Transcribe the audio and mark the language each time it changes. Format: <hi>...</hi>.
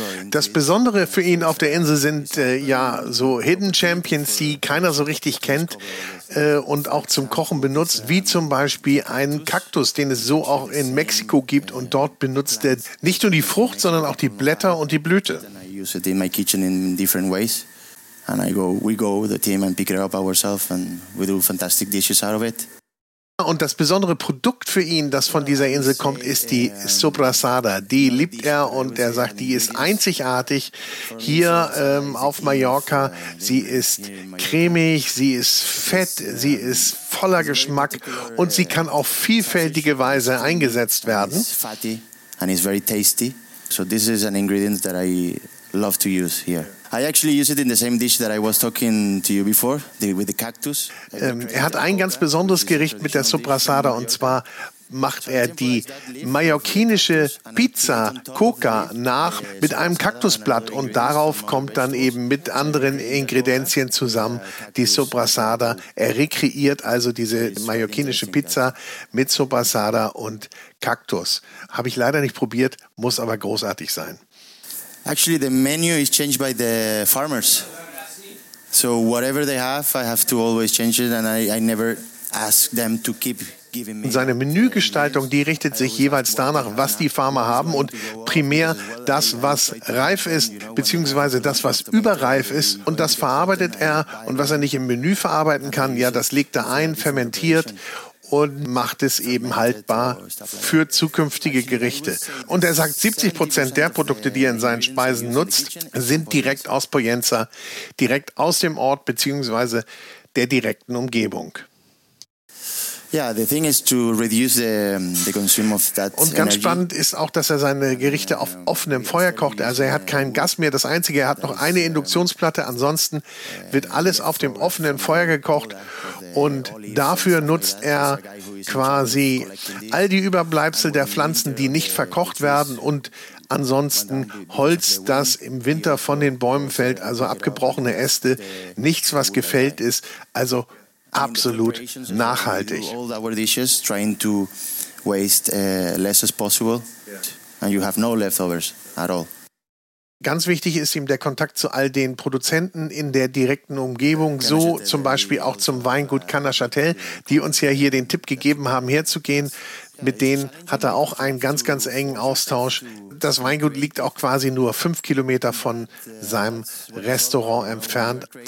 <de>Das Besondere für ihn auf der Insel sind ja so Hidden Champions, die keiner so richtig kennt und auch zum Kochen benutzt, wie zum Beispiel einen Kaktus, den es so auch in Mexiko gibt und dort benutzt er nicht nur die Frucht, sondern auch die Blätter und die Blüte.</de> <en>I use it in my kitchen in different ways and we go the team and pick it up ourselves and we do fantastic dishes out of it.</en> <de>Und das besondere Produkt für ihn, das von dieser Insel kommt, ist die Sobrasada. Die liebt er und er sagt, die ist einzigartig hier auf Mallorca. Sie ist cremig, sie ist fett, sie ist voller Geschmack und sie kann auf vielfältige Weise eingesetzt werden.</de> <en>It's fatty and it's very tasty. So this is an ingredient that I love to use here. I actually use it in the same dish that I was talking to you before, with the cactus.</en> <de>Er hat ein ganz besonderes Gericht mit der Sobrasada und zwar macht er die mallorquinische Pizza Coca nach mit einem Kaktusblatt und darauf kommt dann eben mit anderen Ingredienzien zusammen die Sobrasada. Er rekreiert also diese mallorquinische Pizza mit Sobrasada und Kaktus. Habe ich leider nicht probiert, muss aber großartig sein.</de> <en>Actually, the menu is changed by the farmers. So whatever they have, I have to always change it and I never ask them to keep giving me.</en> <de>Seine Menügestaltung, die richtet sich jeweils danach, was die Farmer haben und primär das, was reif ist, beziehungsweise das, was überreif ist und das verarbeitet er und was er nicht im Menü verarbeiten kann, ja, das legt er ein, fermentiert und macht es eben haltbar für zukünftige Gerichte. Und er sagt, 70% der Produkte, die er in seinen Speisen nutzt, sind direkt aus Poyenza, direkt aus dem Ort beziehungsweise der direkten Umgebung.</de> <en>Yeah, the thing is to reduce the consume of that.</en> <de>Und ganz spannend ist auch, dass er seine Gerichte auf offenem Feuer kocht. Also er hat keinen Gas mehr. Das Einzige, er hat noch eine Induktionsplatte. Ansonsten wird alles auf dem offenen Feuer gekocht. Und dafür nutzt er quasi all die Überbleibsel der Pflanzen, die nicht verkocht werden und ansonsten Holz, das im Winter von den Bäumen fällt, also abgebrochene Äste, nichts, was gefällt ist. Also absolut nachhaltig.</de> <en>All our dishes trying to waste less as possible and you have no leftovers at all.</en> <de>Ganz wichtig ist ihm der Kontakt zu all den Produzenten in der direkten Umgebung, so zum Beispiel auch zum Weingut Cannachatel, die uns ja hier den Tipp gegeben haben, herzugehen. Mit denen hat er auch einen ganz, ganz engen Austausch. Das Weingut liegt auch quasi nur 5 Kilometer von seinem Restaurant entfernt.</de>